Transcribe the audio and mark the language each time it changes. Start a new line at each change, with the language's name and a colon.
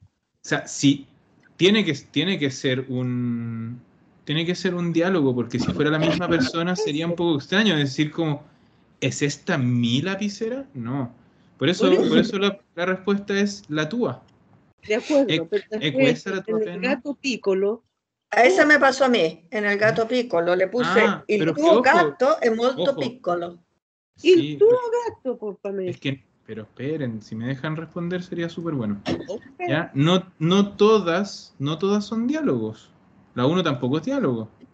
Spanish: O sea, sí, tiene que ser un diálogo, porque si fuera la misma persona sería un poco extraño decir como, ¿es esta mi lapicera? No. Por eso la respuesta es la tuya. De acuerdo, pero después, en el gato piccolo. A esa me pasó a mí, en el gato piccolo. Le puse,
Italian: el tuo gatto è molto piccolo.
Spanish: Sí,
Italian: el tuo gatto,
Spanish: por favor. Pero esperen, si me dejan responder sería súper bueno. Okay. ¿Ya? No todas son diálogos. La 1 tampoco es diálogo.